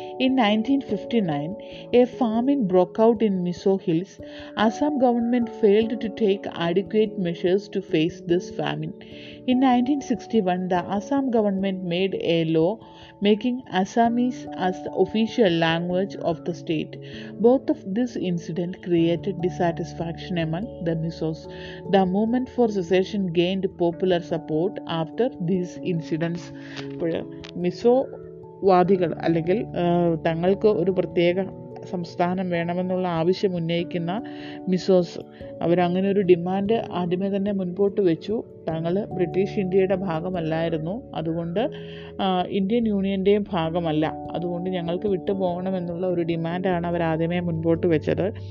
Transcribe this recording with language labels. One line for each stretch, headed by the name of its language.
English: In 1959 a famine broke out in Mizo hills. Assam government failed to take adequate measures to face this famine. In 1961 the Assam government made a law making Assamese as the official language of the state. Both of this incident created dissatisfaction among the Misos. The movement for secession gained popular support after these incidents.
Malayalam: Miso vaadigal allengil thangalku oru pratheeka സംസ്ഥാനം വേണമെന്നുള്ള ആവശ്യം ഉന്നയിക്കുന്ന മിസോസ് അവരങ്ങനെ ഒരു demand ആദ്യമേ തന്നെ മുൻപോട്ട് വെച്ചു. തങ്ങൾ ബ്രിട്ടീഷ് ഇന്ത്യയുടെ ഭാഗമല്ലായിരുന്നു, അതുകൊണ്ട് ഇന്ത്യൻ യൂണിയൻ്റെയും ഭാഗമല്ല, അതുകൊണ്ട് ഞങ്ങൾക്ക് വിട്ടുപോകണമെന്നുള്ള ഒരു ഡിമാൻഡാണ് അവർ ആദ്യമേ മുൻപോട്ട് വെച്ചത്.